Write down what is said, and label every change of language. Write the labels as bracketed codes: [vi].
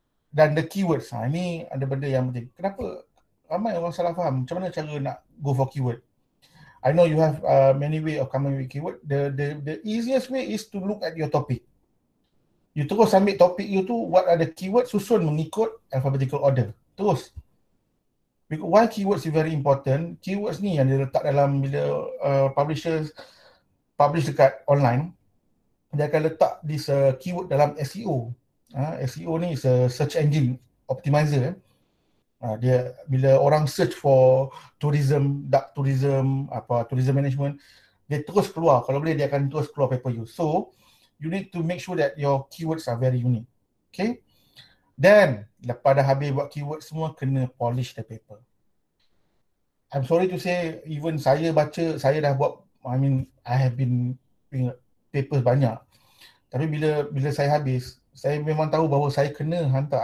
[ms] Dan [en] the keywords, [ms] ini ada benda yang penting. Kenapa ramai orang salah faham? Macam mana cara nak [en] go for keyword? I know you have many way of coming with keyword. The easiest way is to look at your topic. [ms] You terus ambil topik you tu, [en] what are the keyword, [ms] susun mengikut [en] alphabetical order. [ms] Terus. [en] Because why keywords is very important? Keywords [ms] ni yang diletak dalam bila [en] publishers publish [ms] dekat [en] online, [ms] dia akan letak [en] this keyword [ms] dalam [en] SEO. SEO [ms] ni [en] is a search engine optimizer. [ms] Dia bila orang [en] search for tourism, dark tourism, [ms] apa [en] tourism management, [ms] dia terus keluar. Kalau boleh, dia akan terus keluar paper you. [en] So, you need to make sure that your keywords are very unique. Okay? Then, [ms] lepas dah habis buat keyword semua, kena [en] polish the paper. I'm sorry to say, even [ms] saya baca, saya dah buat, [en] I have been papers [ms] banyak. Tapi bila saya habis, saya memang tahu bahawa saya kena hantar.